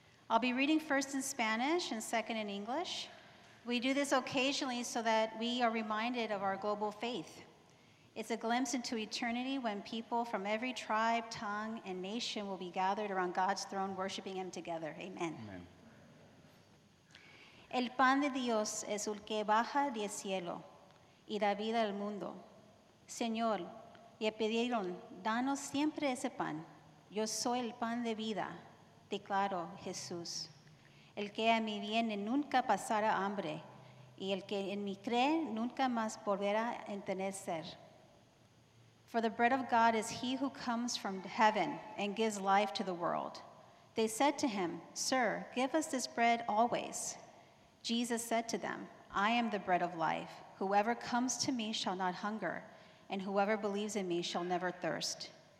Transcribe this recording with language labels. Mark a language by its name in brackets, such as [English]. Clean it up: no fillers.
[English] I'll be reading first in Spanish and second in English. We do this occasionally so that we are reminded of our global faith. It's a glimpse into eternity when people from every tribe, tongue, and nation will be gathered around God's throne, worshiping Him together. Amen. Amen. [Spanish] El pan de Dios es el que baja del cielo y da vida al mundo. Señor, le pidieron, danos siempre ese pan. Yo soy el pan de vida, declaro Jesús. El que a mí viene nunca pasará hambre, y el que en mí cree nunca más volverá a tener sed. [English] For the bread of God is he who comes from heaven and gives life to the world. They said to him, Sir, give us this bread always. Jesus said to them, I am the bread of life. Whoever comes to me shall not hunger, and whoever believes in me shall never thirst.